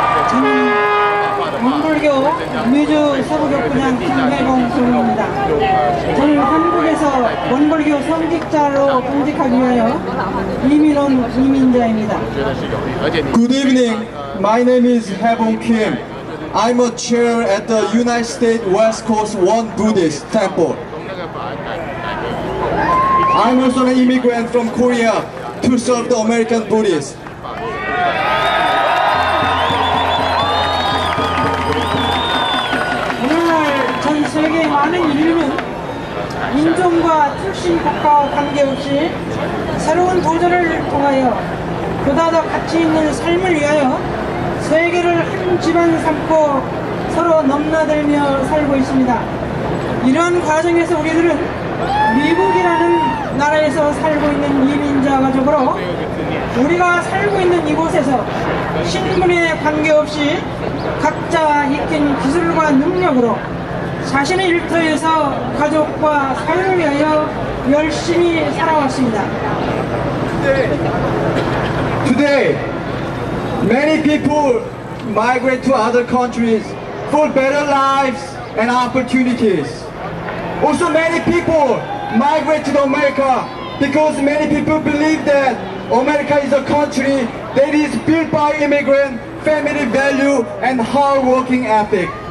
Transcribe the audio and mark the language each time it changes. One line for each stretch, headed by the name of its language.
Korean: 저는 문불교 뮤주 서부교구장 김혜봉 교수입니다. 저는 한국에서 문불교 성직자로 공직하기 위하여 이민 온 이민자입니다.
English: Good evening. My name is Hebong Kim. I'm a chair at the United States West Coast One Buddhist Temple. I'm also an immigrant from Korea to serve the American Buddhists. Yeah!
Korean: 오늘날 전 세계의 많은 인류는 인종과 출신 국가와 관계없이 새로운 도전을 통하여 보다 더 가치 있는 삶을 위하여 세계를 한 집안 삼고 서로 넘나들며 살고 있습니다. 이러한 과정에서 우리들은 미국이라는 나라에서 살고 있는 이민자 가족으로 우리가 살고 있는 이곳에서 신분에 관계없이 각자 익힌 기술과 능력으로 자신의 일터에서 가족과 사회를 위하여 열심히 살아왔습니다.
English: Today, many people migrate to other countries for better lives and opportunities. Also, many people migrate to America because many people believe that America is a country that is built by immigrant family value and hard-working ethic.